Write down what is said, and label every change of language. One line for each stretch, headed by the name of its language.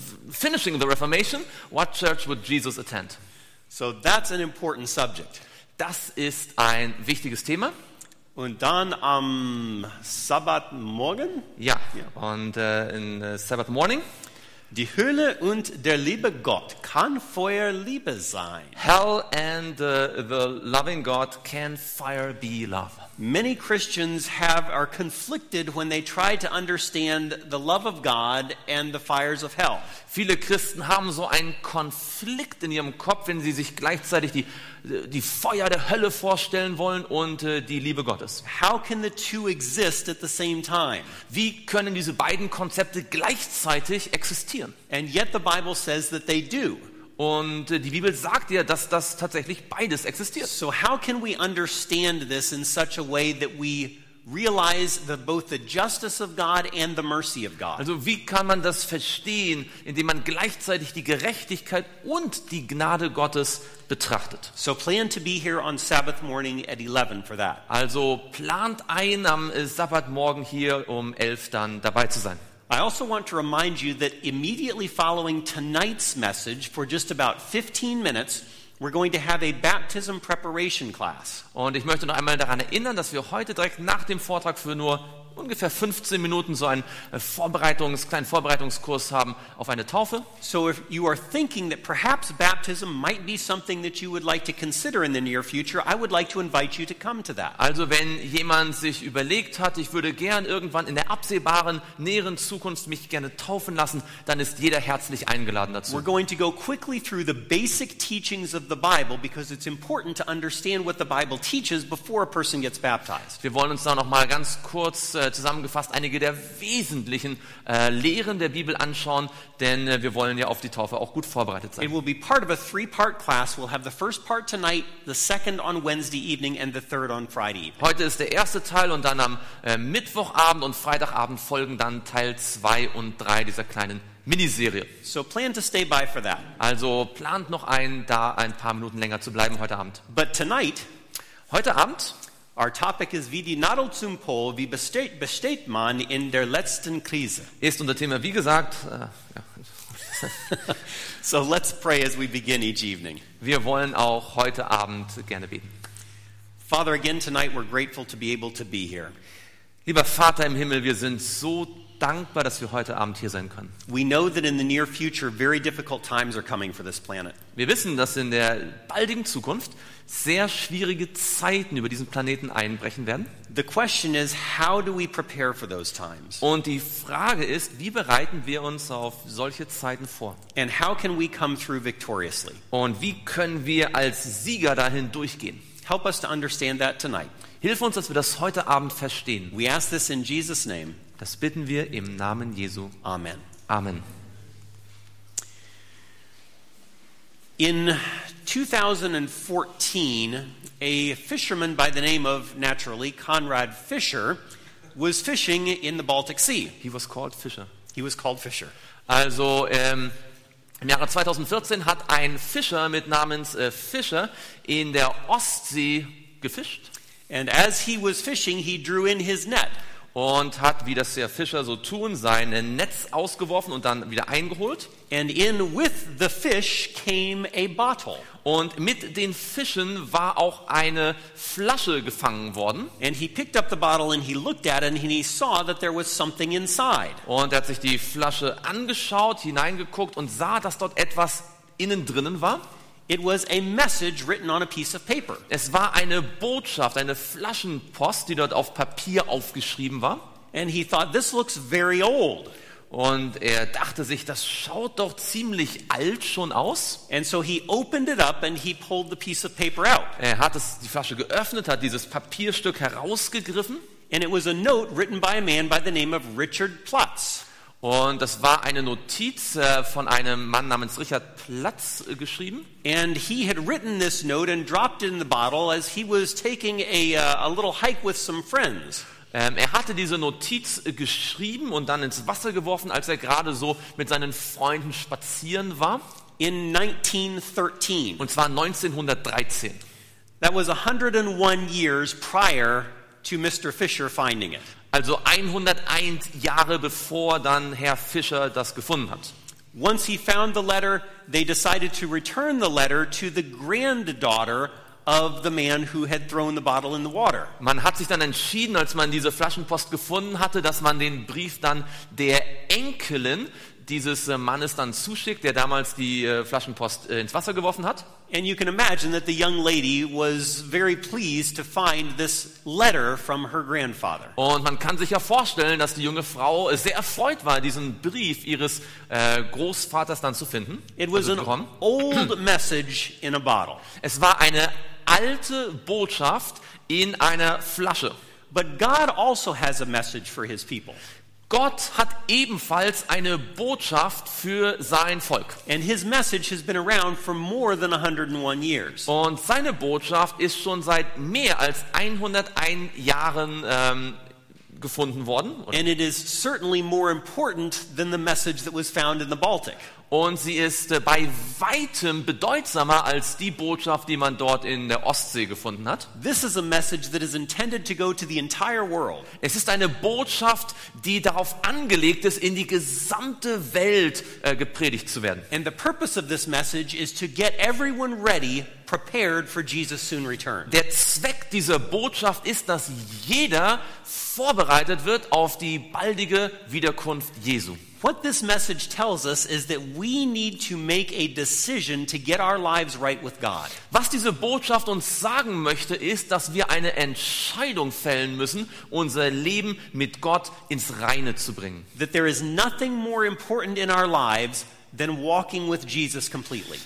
English: Finishing the Reformation, what church would Jesus attend? So that's an important subject.
German: Das ist ein wichtiges Thema. Und dann am Sabbatmorgen?
English: Ja, yeah. Und in Sabbath morning.
German: Die Hölle und der liebe Gott kann Feuer Liebe sein.
English: Hell and the loving God can fire be love. Many Christians are conflicted when they try to understand the love of God and the fires of hell.
German: Viele Christen haben so einen Konflikt in ihrem Kopf, wenn sie sich gleichzeitig die Feuer der Hölle vorstellen wollen und die Liebe Gottes.
English: How can the two exist at the same time?
German: Wie können diese beiden Konzepte gleichzeitig existieren?
English: And yet the Bible says that they do.
German: Und die Bibel sagt ja, dass das tatsächlich beides existiert.
English: So how can we understand this in such a way that we realize that both the justice of God and the mercy of God?
German: Also wie kann man das verstehen, indem man gleichzeitig die Gerechtigkeit und die Gnade Gottes betrachtet?
English: So plan to be here on Sabbath morning at 11 for that.
German: Also plant ein, am Sabbatmorgen hier um 11 dann dabei zu sein.
English: I also want to remind you that immediately following tonight's message, for just about 15 minutes, we're going to have a baptism preparation class.
German: Und ich möchte noch einmal daran erinnern, dass wir heute direkt nach dem Vortrag für nur ungefähr 15 Minuten so einen kleinen Vorbereitungskurs haben auf eine Taufe.
English: So if you are thinking that perhaps baptism might be something that you would like to consider in the near future, I would like to invite you to come to that.
German: Also wenn jemand sich überlegt hat, ich würde gern irgendwann in der absehbaren näheren Zukunft mich gerne taufen lassen, dann ist jeder herzlich eingeladen dazu.
English: We're going to go quickly through the basic teachings of the Bible because it's important to understand what the Bible teaches before a person gets baptized.
German: Wir wollen uns da noch mal ganz kurz zusammengefasst einige der wesentlichen Lehren der Bibel anschauen, denn wir wollen ja auf die Taufe auch gut vorbereitet sein.
English: It will be part of a three-part class. We'll have the first part tonight, the second on Wednesday evening, and the third on Friday evening.
German: Heute ist der erste Teil und dann am Mittwochabend und Freitagabend folgen dann Teil 2 und 3 dieser kleinen Miniserie.
English: So plan to stay by for that.
German: Also plant noch ein, da ein paar Minuten länger zu bleiben heute Abend.
English: But tonight,
German: heute Abend,
English: our topic is
German: wie die Nadel zum Pol, wie besteht man in der letzten Krise. Ist unser Thema, wie gesagt.
English: So let's pray as we begin each evening.
German: Wir wollen auch heute Abend gerne beten.
English: Father, again tonight we're grateful to be able to be here.
German: Lieber Vater im Himmel, wir sind so dankbar, dass wir heute Abend hier sein können.
English: We know that in the near future very difficult times are coming for this planet.
German: Wir wissen, dass in der baldigen Zukunft sehr schwierige Zeiten über diesen Planeten einbrechen werden.
English: The question is, how do we prepare for those times?
German: Und die Frage ist, wie bereiten wir uns auf solche Zeiten vor?
English: And how can we come through victoriously?
German: Und wie können wir als Sieger dahin durchgehen?
English: Help us to understand that tonight.
German: Hilf uns, dass wir das heute Abend verstehen.
English: We ask this in Jesus' name.
German: Das bitten wir im Namen Jesu.
English: Amen.
German: Amen.
English: In 2014, a fisherman by the name of, naturally, Conrad Fischer, was fishing in the Baltic Sea. He was called Fischer. He was called Fischer.
German: Also, im Jahre 2014 hat ein Fischer mit namens Fischer in der Ostsee gefischt.
English: And as he was fishing, he drew in his net.
German: Und hat, wie das der Fischer so tun, sein Netz ausgeworfen und dann wieder eingeholt.
English: And in with the fish came a bottle.
German: Und mit den Fischen war auch eine Flasche gefangen worden.
English: And he picked up the bottle and he looked at it and he saw that there was something inside.
German: Und er hat sich die Flasche angeschaut, hineingeguckt und sah, dass dort etwas innen drinnen war.
English: It was a message written on a piece of paper.
German: Es war eine Botschaft, eine Flaschenpost, die dort auf Papier aufgeschrieben war.
English: And he thought, this looks very old.
German: Und er dachte sich, das schaut doch ziemlich alt schon aus.
English: And so he opened it up and he pulled the piece of paper out.
German: Er hat es, die Flasche geöffnet, hat dieses Papierstück herausgegriffen.
English: And it was a note written by a man by the name of Richard Plutz.
German: Und das war eine Notiz von einem Mann namens Richard Plutz geschrieben.
English: And he had written this note and dropped it in the bottle as he was taking a little hike with some friends.
German: Er hatte diese Notiz geschrieben und dann ins Wasser geworfen, als er gerade so mit seinen Freunden spazieren war.
English: In 1913.
German: Und zwar 1913.
English: That was 101 years prior to Mr. Fischer finding it.
German: Also 101 Jahre bevor dann Herr Fischer das gefunden hat.
English: Once he found the letter, they decided to return the letter to the granddaughter of the man who had thrown the bottle in the water.
German: Man hat sich dann entschieden, als man diese Flaschenpost gefunden hatte, dass man den Brief dann der Enkelin dieses Mannes dann zuschickt, der damals die Flaschenpost ins Wasser geworfen hat.
English: And you can imagine that the young lady was very pleased to find this letter from her grandfather.
German: Und man kann sich ja vorstellen, dass die junge Frau sehr erfreut war, diesen Brief ihres Großvaters dann zu finden.
English: It was an old message in a bottle.
German: Es war eine alte Botschaft in einer Flasche.
English: But God also has a message for his people.
German: Gott hat ebenfalls eine Botschaft für sein Volk.
English: And his message has been around for more than 101 years.
German: Und seine Botschaft ist schon seit mehr als 101 Jahren gefunden worden.
English: And it is certainly more important than the message that was found in the Baltic.
German: Und sie ist bei weitem bedeutsamer als die Botschaft, die man dort in der Ostsee gefunden hat.
English: This is a message that is intended to go to the entire world.
German: Es ist eine Botschaft, die darauf angelegt ist, in die gesamte Welt gepredigt zu werden.
English: And the purpose of this message is to get everyone ready, prepared for Jesus' soon return.
German: Der Zweck dieser Botschaft ist, dass jeder vorbereitet wird auf die baldige Wiederkunft Jesu.
English: What this message tells us is that we need to make a decision to get our lives right with God.
German: Was diese Botschaft uns sagen möchte, ist, dass wir eine Entscheidung fällen müssen, unser Leben mit Gott ins Reine zu bringen.
English: That there is nothing more important in our lives than walking with Jesus completely.